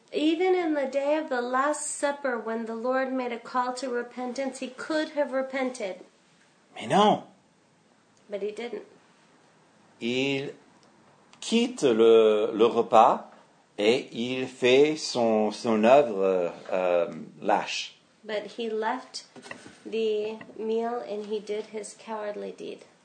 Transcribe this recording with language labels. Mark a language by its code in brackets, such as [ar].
[en] Even in the day of the Last Supper, when the Lord made a call to repentance, he could have repented. [fr] Mais non. [en] But he didn't. [fr] Il quitte le repas et il fait son œuvre lâche. [en] But he left the meal and he did his cowardly deed.